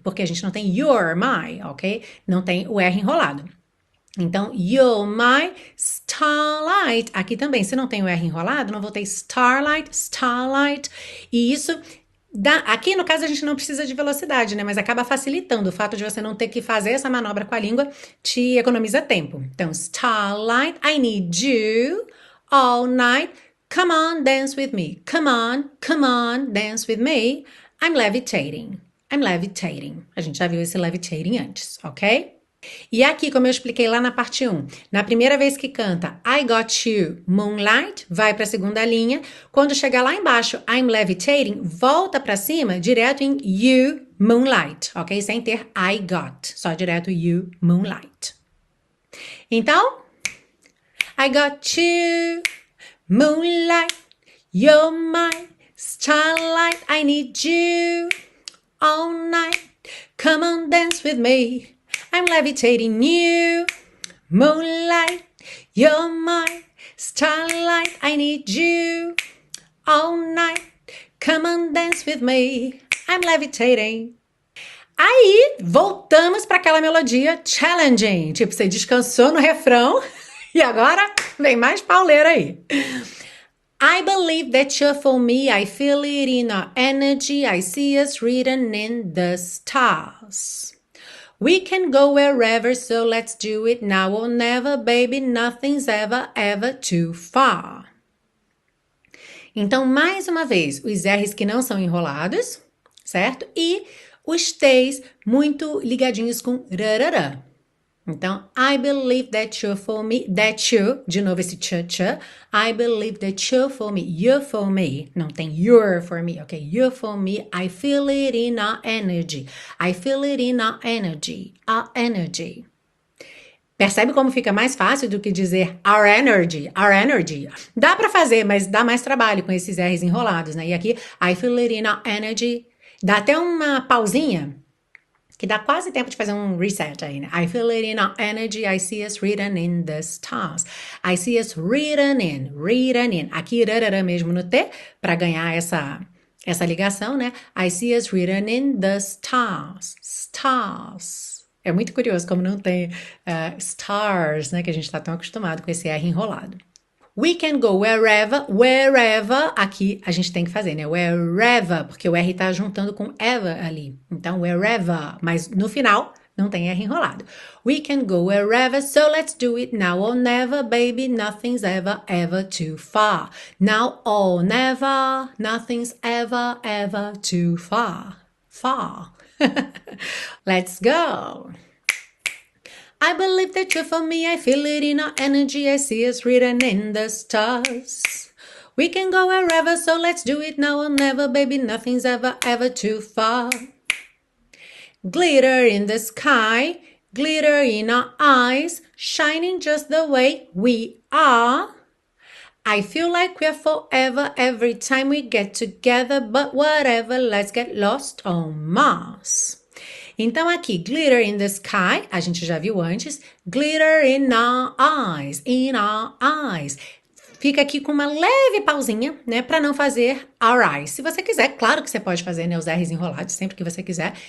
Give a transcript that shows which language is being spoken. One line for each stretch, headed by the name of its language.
Portuguese: Porque a gente não tem
English: you're my,
Portuguese: ok? Não tem o R enrolado.
English: Então, you're my starlight.
Portuguese: Aqui também, se não tem o R enrolado, não vou ter starlight, starlight. E isso dá. Aqui, no caso, a gente não precisa de velocidade, né? Mas acaba facilitando. O fato de você não ter que fazer essa manobra com a língua te economiza tempo.
English: Então, starlight, I need you all night. Come on, dance with me. Come on, dance with me. I'm levitating. I'm levitating.
Portuguese: A gente já viu esse levitating antes, ok? E aqui, como eu expliquei lá na parte 1, na primeira vez que canta
English: I got you, moonlight,
Portuguese: vai para a segunda linha. Quando chegar lá embaixo,
English: I'm levitating,
Portuguese: volta para cima direto em
English: you, moonlight,
Portuguese: ok? Sem ter
English: I got,
Portuguese: só direto
English: you, moonlight. Então, I got you, moonlight, you're my starlight, I need you all night, come on, dance with me. I'm levitating you, moonlight. You're my starlight. I need you all night. Come on, dance with me. I'm levitating.
Portuguese: Aí voltamos para aquela melodia challenging, tipo, você descansou no refrão e agora vem mais pauleira aí.
English: I believe that you're for me, I feel it in our energy, I see us written in the stars. We can go wherever, so let's do it now or never, baby, nothing's ever, ever too far.
Portuguese: Então, mais uma vez, os R's que não são enrolados, certo? E os T's muito ligadinhos com rarara.
English: Então, I believe that you're for me, that you,
Portuguese: de novo esse cha-cha.
English: I believe that you're for me,
Portuguese: não tem
English: you're for me, ok? You're for me, I feel it in our energy, I feel it in our energy, our energy.
Portuguese: Percebe como fica mais fácil do que dizer
English: our energy, our energy?
Portuguese: Dá para fazer, mas dá mais trabalho com esses R's enrolados, né? E aqui,
English: I feel it in our energy,
Portuguese: dá até uma pausinha. Que dá quase tempo de fazer um reset aí, né?
English: I feel it in our energy, I see us written in the stars. I see us written in.
Portuguese: Aqui, rarara mesmo no T, para ganhar essa ligação, né?
English: I see us written in the stars. Stars.
Portuguese: É muito curioso como não tem stars, né? Que a gente tá tão acostumado com esse R enrolado.
English: We can go wherever, wherever.
Portuguese: Aqui a gente tem que fazer, né? Wherever, porque o R tá juntando com ever ali. Então, wherever. Mas no final, não tem R enrolado.
English: We can go wherever, so let's do it now or never, baby. Nothing's ever, ever too far. Now or never, nothing's ever, ever too far. Far. Let's go. I believe that you're for me, I feel it in our energy, I see us written in the stars. We can go wherever, so let's do it now or never, baby, nothing's ever, ever too far. Glitter in the sky, glitter in our eyes, shining just the way we are. I feel like we're forever every time we get together, but whatever, let's get lost on Mars.
Portuguese: Então, aqui,
English: glitter in the sky,
Portuguese: a gente já viu antes.
English: Glitter in our eyes.
Portuguese: Fica aqui com uma leve pausinha, né, para não fazer
English: our eyes.
Portuguese: Se você quiser, claro que você pode fazer, né, os R's enrolados sempre que você quiser.